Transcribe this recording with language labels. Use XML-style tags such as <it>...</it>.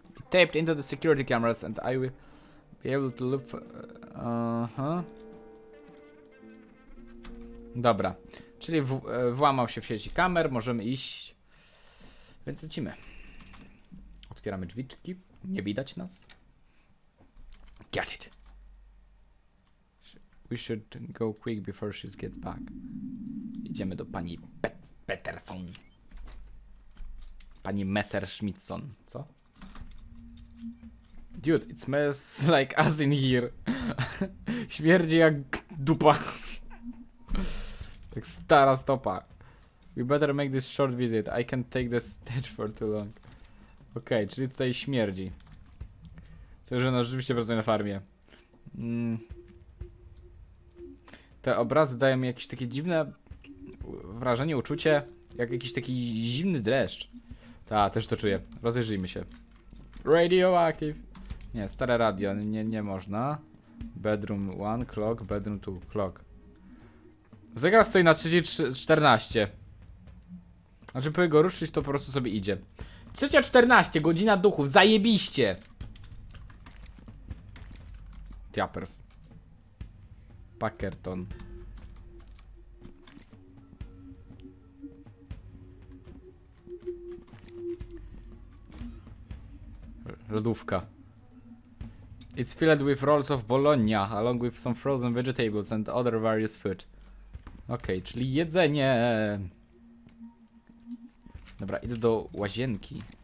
<en>Taped into the security cameras and I will be able to look for...</en> <pl>Dobra, czyli włamał się w sieci kamer, możemy iść, więc lecimy. Otwieramy drzwiczki, nie widać nas.</pl> <en>Get it. We should go quick before she gets back.</en> <pl>Idziemy do pani Peterson. Pani Messerschmidtson, co?</pl> <en>Dude, it smells like us in here.</en> <pl>Śmierdzi jak dupa. Jak stara stopa.</pl> <en>We better make this short visit. I can't take this stage for too long.</en> <pl>Okej, czyli tutaj śmierdzi. To już ona rzeczywiście pracuje na farmie. Te obrazy dają mi jakieś takie dziwne wrażenie, uczucie. Jak jakiś taki zimny dreszcz. Ta, też to czuję. Rozejrzyjmy się. Radioactive. Nie, stare radio. Nie, nie można.</pl> <en>Bedroom 1, clock. Bedroom 2, clock.</en> <pl>Zegar stoi na 3:14. Znaczy, żeby go ruszyć, to po prostu sobie idzie. 3:14, godzina duchów, zajebiście! Tiapers. Packerton. Lodówka.</pl> <en>It's filled with rolls of bologna, along with some frozen vegetables and other various food.</en> <pl>Okej, okay, czyli jedzenie. Dobra, idę do łazienki.</pl>